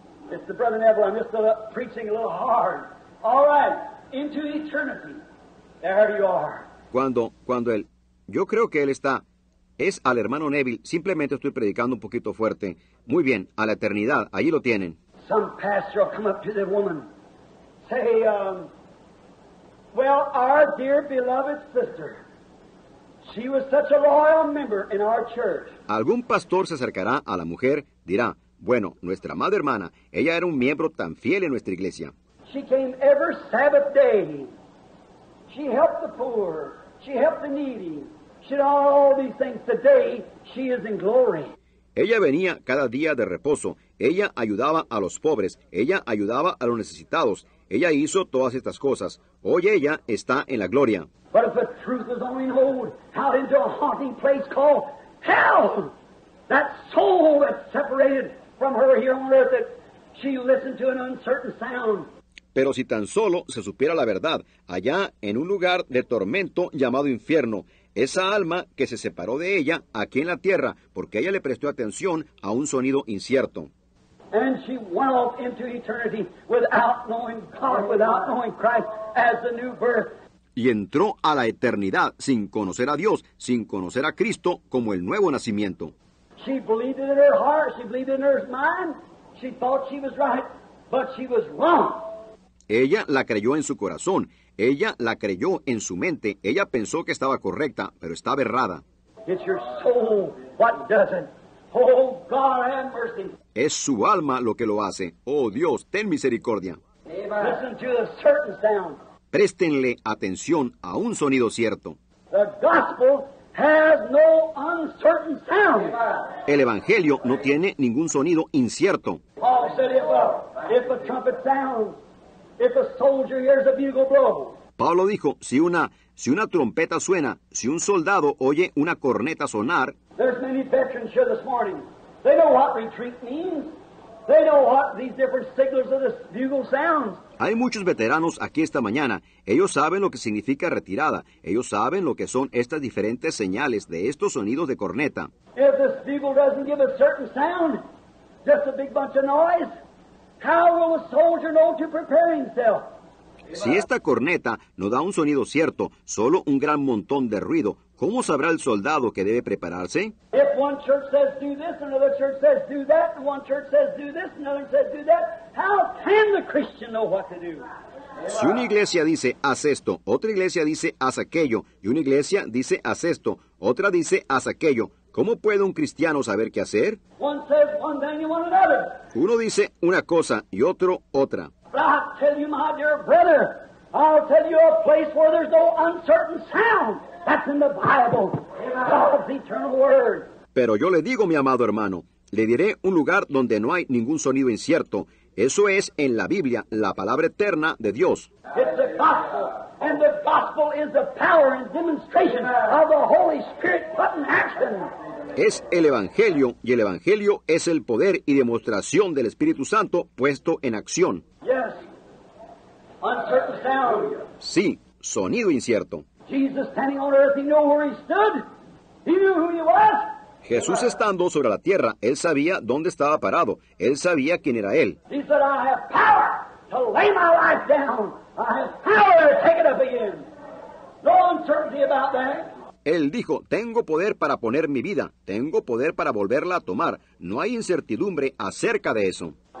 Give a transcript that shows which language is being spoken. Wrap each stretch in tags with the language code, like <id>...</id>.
<en>It's the brother Neville. I'm just preaching a little hard. All right, into eternity. There you are.</en> <es>Cuando él, yo creo que él está, es al hermano Neville. Simplemente estoy predicando un poquito fuerte. Muy bien, a la eternidad. Allí lo tienen.</es> <en>Some pastor will come up to the woman, say, well, our dear beloved sister, she was such a loyal member in our church.</en> <es>Algún pastor se acercará a la mujer, dirá. Bueno, nuestra amada hermana, ella era un miembro tan fiel en nuestra iglesia.</es> <en>She came every Sabbath day. She helped the poor. She helped the needy. She did all these things. Today, she is in glory.</en> <es>Ella venía cada día de reposo. Ella ayudaba a los pobres. Ella ayudaba a los necesitados. Ella hizo todas estas cosas. Hoy ella está en la gloria.</es> <en>But if the truth is only known out into a haunting place called hell. That soul that's separated from her here on earth, that she listened to an uncertain sound.</en> <es>Pero si tan solo se supiera la verdad, allá en un lugar de tormento llamado infierno, esa alma que se separó de ella aquí en la tierra, porque ella le prestó atención a un sonido incierto.</es> <en>And she went off into eternity without knowing God, without knowing Christ as the new birth.</en> <es>Y entró a la eternidad sin conocer a Dios, sin conocer a Cristo como el nuevo nacimiento.</es> <en>She believed it in her heart, she believed it in her mind, she thought she was right, but she was wrong.</en> <es>Ella la creyó en su corazón, ella la creyó en su mente, ella pensó que estaba correcta, pero estaba errada.</es> <en>It's your soul what does it. Oh, God, have mercy.</en> <es>Es su alma lo que lo hace. Oh, Dios, ten misericordia.</es> <en>Amen. Listen to the certain sound.</en> <es>Préstenle atención a un sonido cierto.</es> <en>The gospel has no uncertain sound.</en> <es>El evangelio no tiene ningún sonido incierto.</es> <en>Paul said, if a trumpet sounds, if a soldier hears a bugle blow.</en> <es>Pablo dijo, si una trompeta suena, si un soldado oye una corneta sonar.</es> <en>There's many veterans here this morning. They know what retreat means. They know what these different signals of the bugle sounds.</en> <es>Hay muchos veteranos aquí esta mañana. Ellos saben lo que significa retirada. Ellos saben lo que son estas diferentes señales de estos sonidos de corneta.</es> <en>If this bugle doesn't give a certain sound, just a big bunch of noise, how will a soldier know to prepare himself?</en> <es>Si esta corneta no da un sonido cierto, solo un gran montón de ruido, ¿cómo sabrá el soldado que debe prepararse?</es> <en>If one church says do this, another church says do that, and one church says do this, another says do that, how can the Christian know what to do?</en> <es>Si una iglesia dice haz esto, otra iglesia dice haz aquello, y una iglesia dice haz esto, otra dice haz aquello, ¿cómo puede un cristiano saber qué hacer?</es> <en>One says one thing and one another.</en> <es>Uno dice una cosa y otro otra.</es> <en>But I tell you, my dear brother, I'll tell you a place where there's no uncertain sound. That's in the Bible, God's eternal word.</en> <es>Pero yo le digo, mi amado hermano, le diré un lugar donde no hay ningún sonido incierto. Eso es en la Biblia, la palabra eterna de Dios.</es> <en>It's the gospel, and the gospel is the power and demonstration of the Holy Spirit put in action.</en> <es>Es el Evangelio, y el Evangelio es el poder y demostración del Espíritu Santo puesto en acción.</es> <en>Yes. Uncertain sound.</en> <es>Sí, sonido incierto.</es> <en>Jesus standing on earth, he knew where he stood. He knew who he was.</en> <es>Jesús estando sobre la tierra, él sabía dónde estaba parado. Él sabía quién era él.</es> <en>He said, I have power to lay my life down. I have power to take it up again. No uncertainty about that.</en> <es>Él dijo, tengo poder para poner mi vida, tengo poder para volverla a tomar. No hay incertidumbre acerca de eso.</es>